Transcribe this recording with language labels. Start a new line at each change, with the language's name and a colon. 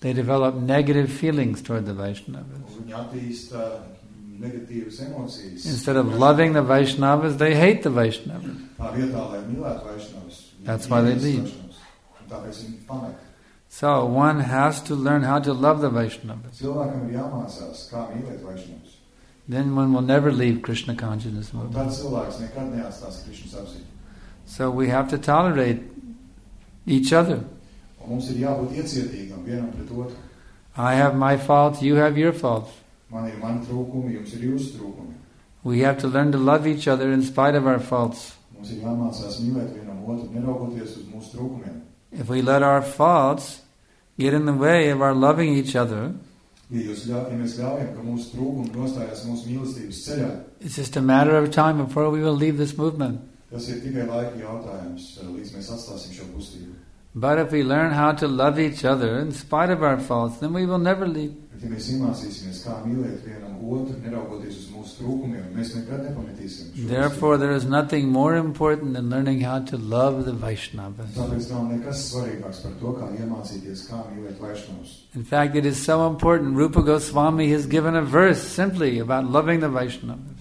English: They develop negative feelings toward the Vaishnavas.
Latvian: Viņi attīsta negatīvas emocijas.
English: Instead of loving the Vaishnavas, they hate the Vaishnavas.
Latvian: Tā vietā, lai mīlētu Vaishnavas.
English: That's why they leave.
Latvian: Tāpēc viņi pamet.
English: So one has to learn how to love the Vaishnavas.
Latvian: Cilvēkam ir jāmācās, kā mīlēt Vaishnavas.
English: Then one will never leave Krishna consciousness.
Latvian: Tad cilvēks nekad neatstās Krishna apziņu.
English: So we have to tolerate each other.
Latvian: Mums ir jābūt iecietīgam vienam pret otru.
English: I have my faults, you have your faults.
Latvian: Man ir mani trūkumi, jums ir jūsu trūkumi.
English: We have to learn to love each other in spite of our faults.
Latvian: Mums ir jāmācās mīlēt vienam otru, neraugoties uz mūsu trūkumiem.
English: If we let our faults get in the way of our loving each other,
Latvian: ja mēs ļaujam, ka mūsu trūkumi nostājas mūsu mīlestības ceļā,
English: it's just a matter of time before we will leave this movement.
Latvian: Tas ir tikai laika jautājums, līdz mēs atstāsim šo kustību.
English: But if we learn how to love each other in spite of our faults, then we will never leave.
Latvian: Bet ja mēs iemācīsimies, kā mīlēt vienam otru, neraugoties uz mūsu trūkumiem, mēs nekad nepametīsim.
English: Therefore, there is nothing more important than learning how to love the Vaishnavas.
Latvian: Tāpēc nav nekas svarīgāks par to, kā iemācīties, kā mīlēt Vaishnavas.
English: In fact, it is so important. Rupa Goswami has given a verse simply about loving the Vaishnavas.